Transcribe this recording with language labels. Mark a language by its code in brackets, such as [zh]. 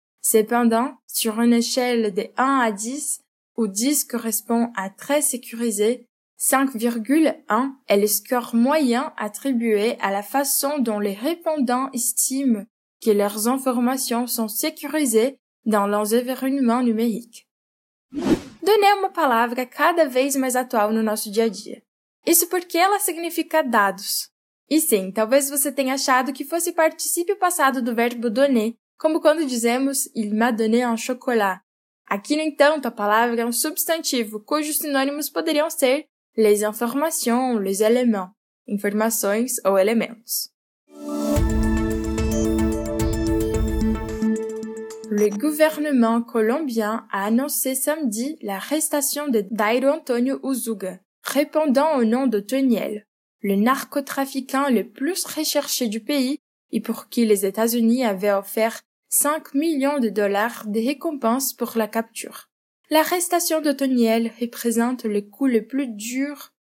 [fr] Cependant, sur une échelle de 1 à 10, où 10 correspond à très sécurisé, 5,1 est le score moyen attribué à la façon dont les répondants estiment que leurs informations sont sécurisées dans leurs environnements numériques. [pt] Donner uma palavra cada vez mais atual no nosso dia a dia. Isso porque ela significa dados. E sim, talvez você tenha achado que fosse participio passado do verbo donner, como quando dizemos [fr] il m'a donné un chocolat. [pt] Aqui, no entanto, a palavra é um substantivo cujos sinônimos poderiam ser les informations, les éléments, informações ou elementos. [fr] Le gouvernement colombien a annoncé samedi l'arrestation de Dairo Antônio Uzuga, répondant au nom d'Otoniel, le narcotrafiquant le plus recherché du pays et pour qui les États-Unis avaient offert 5 millions de dollars de récompenses pour la capture. L'arrestation d'Otoniel représente le coup le plus dur